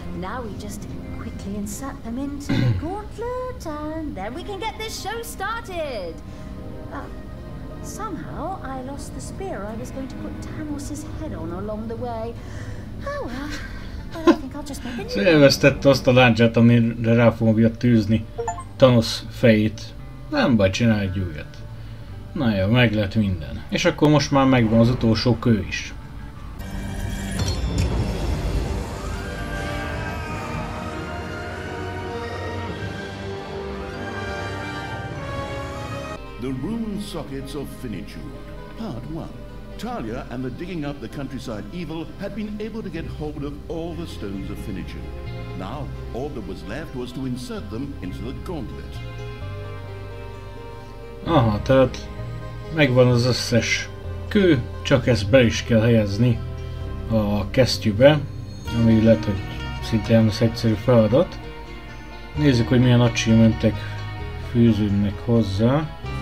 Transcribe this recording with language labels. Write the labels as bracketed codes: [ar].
[en] Now we just quickly insert them into the gauntlet, and then we can get this show started! Somehow, I lost the spear I was going to put Tenos's head on along the way. Oh well, but I think I'll just make a new one. [hu] Elvesztette azt a láncsát, amire rá fogja tűzni Tenos fejét. Nem baj, csinálj újat. Na jó, meg lett minden. És akkor most már megvan az utolsó kő is. [en] The rune sockets of finitude. Part 1. Talia and the digging up the countryside evil had been able to get hold of all the stones of finitude. Now, all that was left was to insert them into the gauntlet. [hu] Aha, tehát... Megvan az összes kő, csak ezt be is kell helyezni a kesztyűbe, ami lehet, hogy szinte nem lesz egyszerű feladat. Nézzük, hogy milyen achievementek fűződnek hozzá.